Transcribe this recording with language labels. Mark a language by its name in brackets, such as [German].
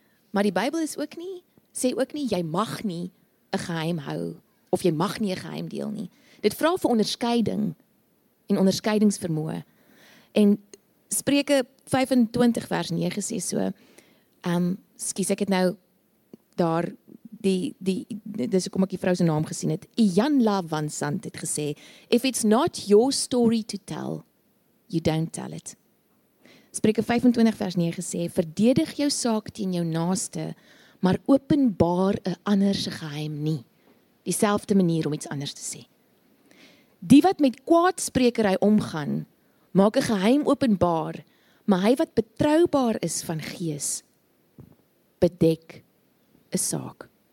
[Afrikaans] Maar die Bybel sê ook nie jy mag nie 'n geheim hou of jy mag nie 'n geheim deel nie. Dit vra vir onderskeiding en onderskeidingsvermoë. En Spreuke 25 vers 9 sê so, skies ek het nou daar die dis hoekom ek die vrou se naam gesien het. [English] Ianla Van Sant [Afrikaans] het gesê, [English] if it's not your story to tell, you don't tell it. [Afrikaans] Spreuke 25 vers 9 sê, verdedig jou saak teen jou naaste, maar openbaar 'n ander se geheim nie. Dieselfde manier om iets anders te sê. Die wat met kwaadsprekery omgaan, maak 'n geheim openbaar, maar hy wat betroubaar is van gees, bedek 'n saak.